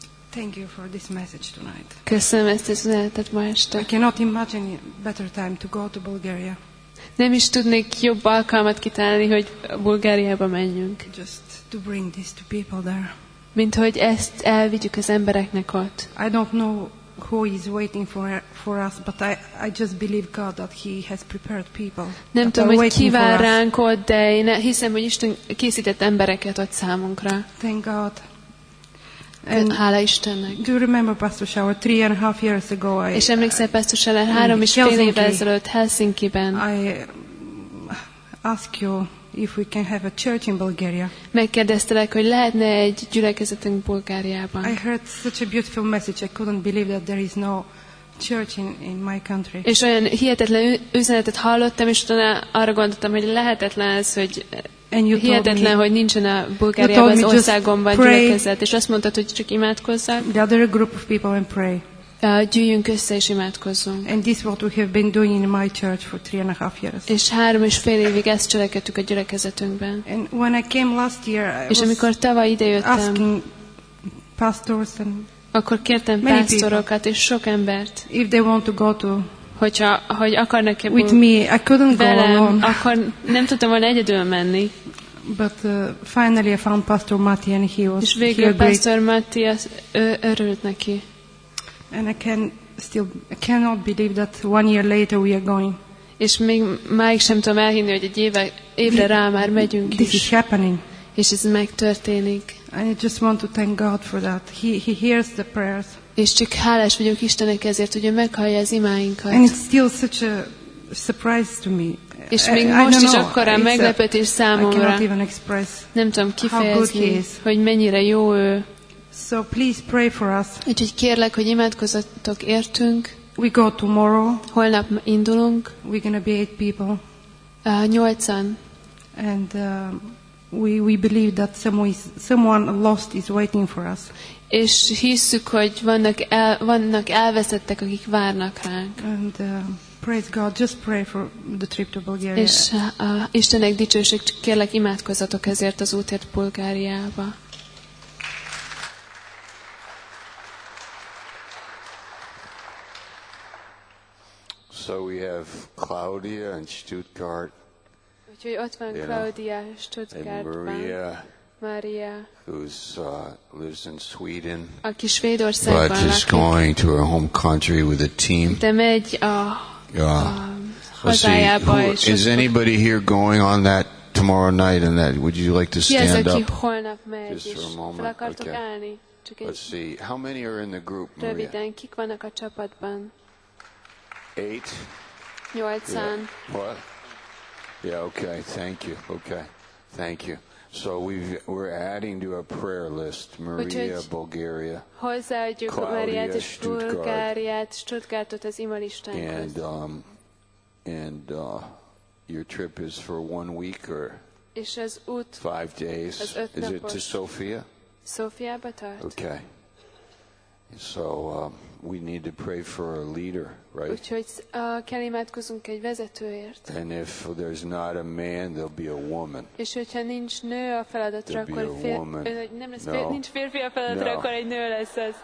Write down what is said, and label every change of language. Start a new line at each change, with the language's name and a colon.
English: Thank you for this message tonight.
Hungarian: Köszönöm ezt az üzenetet ma este.
English: I cannot imagine better time to go to Bulgaria.
Hungarian: Nem is tudnék jobb alkalmat kitalálni, hogy Bulgáriába menjünk.
English: Just to bring this to people there.
Hungarian: Mint hogy ezt elvigyük az embereknek ott.
English: I don't know who is waiting for us, but I just believe God that he has prepared people.
Hungarian: Nem tudom, hogy ki vár ránk ott, de én hiszem, hogy Isten készített embereket ott számunkra.
English: Thank God.
Hungarian: And hála Istennek.
English: Do you remember Pastor Shower 3.5 years ago?
Hungarian: És emlékszel Pastor Shower 3.5 évvel ezelőtt Helsinki-ben?
English: I ask you if we can have a church in Bulgaria.
Hungarian: Megkérdeztelek, hogy lehetne egy gyülekezetünk Bulgáriában.
English: I heard such a beautiful message. I couldn't believe that there is no church in my country.
Hungarian: És olyan hihetetlen üzenetet hallottam, és utána arra gondoltam, hogy lehetetlen ez, hogy hihetetlen, hogy nincsen a Bulgáriában az országomban gyülekezet. És azt mondtad, hogy csak imádkozzak.
English: The other group of people and pray.
Hungarian: Gyűjjünk össze és imádkozzunk.
English: And this is what we have been doing in my church for 3.5 years.
Hungarian: És 3.5 évig ezt cselekedtük a gyülekezetünkben.
English: And when I came last year,
Hungarian: és amikor tavaly idejöttem,
English: asking pastors and
Hungarian: akkor kértem pásztorokat és sok embert.
English: If they want to go to
Hungarian: hogy akarnak
English: with me, I couldn't
Hungarian: velem,
English: go alone.
Hungarian: Akkor nem tudtam volna egyedül menni.
English: But finally I found Pastor Matti and he was
Hungarian: és végül Pastor Matti örült neki.
English: And I cannot believe that 1 year later we are going.
Hungarian: És még máig sem tudom elhinni, hogy egy évre rá már megyünk.
English: This is happening.
Hungarian: És ez megtörténik.
English: And I just want to thank God for that. He hears the prayers.
Hungarian: És csak hálás vagyok Istennek ezért, hogy ő meghallja az imáinkat.
English: And it's still such a surprise to me.
Hungarian: És még most is akkora meglepetés számomra.
English: I cannot even express.
Hungarian: Nem tudom kifejezni, hogy mennyire jó ő.
English: So please pray for us.
Hungarian: Úgyhogy kérlek, hogy imádkozzatok értünk.
English: We go tomorrow.
Hungarian: Holnap indulunk.
English: We're gonna be 8 people.
Hungarian: 8-an.
English: And we believe that someone lost is waiting for us.
Hungarian: És hisszük, hogy vannak elveszettek, akik várnak ránk.
English: And praise God, just pray for the trip to Bulgaria.
Hungarian: És Istennek dicsőség, kérlek, imádkozzatok ezért az útért Bulgáriába.
English: So we have Claudia in Stuttgart.
Hungarian: Úgyhogy ott van Claudia Stuttgartban. Maria,
English: who's lives in Sweden.
Hungarian: Aki Svédországban lakik.
English: But is going to her home country with a team.
Hungarian: De megy a hazájába.
English: Is anybody here going on that tomorrow night? And that would you like to stand up?
Hungarian: Ki az, aki holnap megy?
English: Just for a moment.
Hungarian: Fel akartok állni?
English: Let's see. How many are in the group, Maria?
Hungarian: Röviden, kik vannak a csapatban?
English: Eight.
Hungarian: Nyolcan.
English: Yeah. What? Yeah, okay. Thank you. Okay. Thank you. So we're adding to our prayer list, Maria, Bulgaria,
Hungarian: Claudia, Stuttgart, az ima listánkhoz.
English: And your trip is for 1 week or 5 days. Is it to Sofia?
Hungarian: Sofiába tart.
English: Okay. So we need to pray for a leader, right?
Hungarian: Úgyhogy kell imádkozunk egy vezetőért.
English: And if there's not a man, there'll be a woman.
Hungarian: És hogyha nincs nő a feladatra, akkor nincs férfi a feladatra, akkor egy nő lesz az.